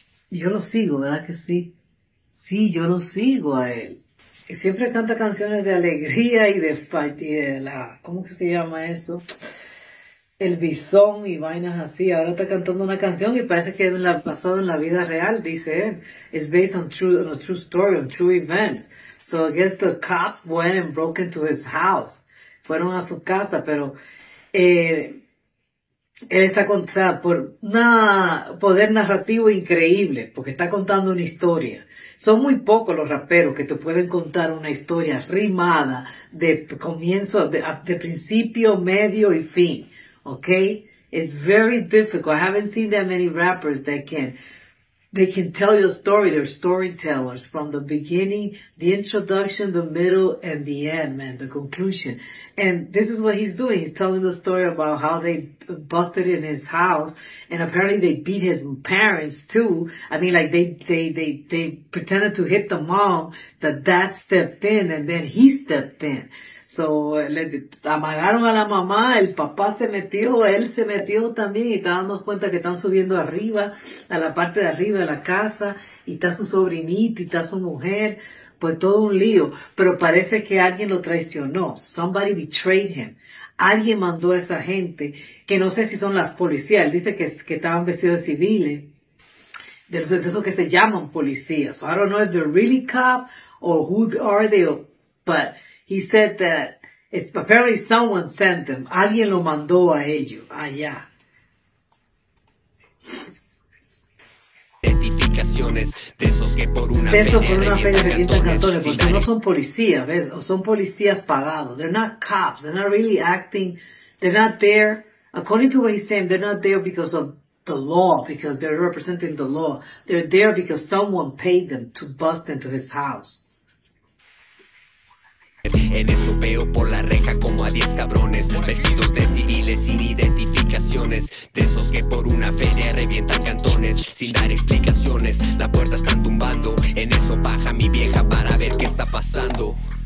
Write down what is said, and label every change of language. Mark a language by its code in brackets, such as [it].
[es] yo lo sigo, ¿verdad que sí? Sí, yo lo sigo a él. Siempre canta canciones de alegría y de... ¿cómo que se llama eso? El Bisón y vainas así. Ahora está cantando una canción y parece que ha pasado en la vida real, dice él. [en] It's based on a true story, on true events. So I guess the cops went and broke into his house. [es] Fueron a su casa, pero... él está contando por un poder narrativo increíble, porque está contando una historia. Son muy pocos los raperos que te pueden contar una historia rimada de comienzo, de principio, medio y fin. [en] Okay? It's very difficult. I haven't seen that many rappers that can. They can tell your story, they're storytellers from the beginning, the introduction, the middle, and the end, man, the conclusion. And this is what he's doing. He's telling the story about how they busted in his house, and apparently they beat his parents too. I mean, like they pretended to hit the mom, the dad stepped in, and then he stepped in. [es] So, le amagaron a la mamá, el papá se metió, él se metió también y está dando cuenta que están subiendo arriba, a la parte de arriba de la casa, y está su sobrinita, y está su mujer, pues todo un lío. Pero parece que alguien lo traicionó, [en] somebody betrayed him. [es] Alguien mandó a esa gente, que no sé si son las policías, él dice que estaban vestidos de civiles, de esos que se llaman policías. [en] So, I don't know if they're really cops, or who are they, but... He said that Apparently someone sent them. [es] Alguien lo mandó a ellos allá. Identificaciones de esos que por una fe de 14, porque no son policías, ¿ves? O son policías pagados. [en] They're not cops. They're not really acting. They're not there. According to what he's saying, they're not there because of the law, because they're representing the law. They're there because someone paid them to bust into his house. [es] En eso veo por la reja como a 10 cabrones vestidos de civiles sin identificaciones, de esos que por una feria revientan cantones sin dar explicaciones. La puerta están tumbando, en eso baja mi vieja para ver qué está pasando.